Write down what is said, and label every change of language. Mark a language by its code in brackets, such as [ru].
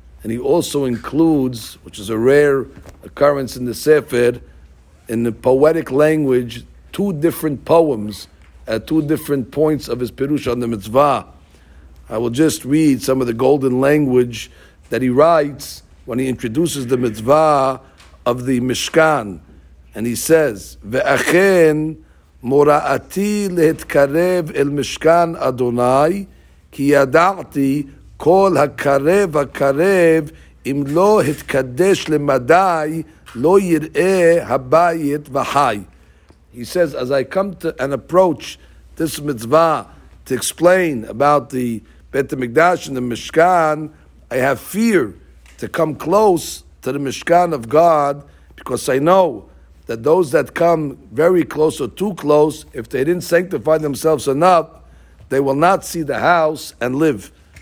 [en] And he also includes, which is a rare occurrence in the Sefer, in the poetic language, two different poems at two different points of his Pirush on the mitzvah. I will just read some of the golden language that he writes when he introduces the mitzvah of the Mishkan. And he says, [he] Ve'achen, מוראתי להתקרב אל משכן אדוני, כי ידעתי כל הקרב הקרב, אם לא התקדש למדי, לא יראה הבית וחי. [en] He says, as I come to and approach this mitzvah to explain about the Beit HaMikdash and the Mishkan, I have fear to come close to the Mishkan of God, because I know that those that come very close or too close, if they didn't sanctify themselves enough, they will not see the house and live.